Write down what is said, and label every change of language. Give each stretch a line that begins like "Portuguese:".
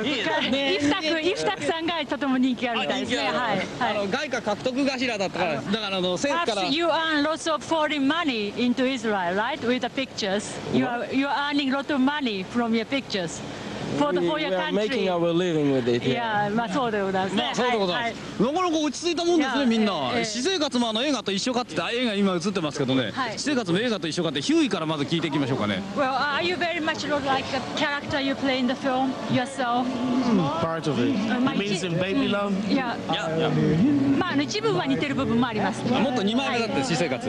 Japanese: イフタクさんがとても人気あるみたいですね。はい。外貨獲得頭だったから、だからあの政府から。
English: You earn lots of foreign money into Israel, right? With the pictures. You are earning lot of money from your pictures. making our living with it.
Japanese: Yeah, まあそうでございます。そうでございます。なかなか落ち着いたもんですね、みんな。私生活もあの映画と一緒かって、映画今映ってますけどね。生活も映画と一緒かって、ヒューイからまず聞いていきましょうかね。
English: Well, are you very much like a character you play in the film yourself? Part of it. You mean some baby love?
Japanese: Yeah. まあ一部は似てる部分もあります。もっと二枚目だって、私生活。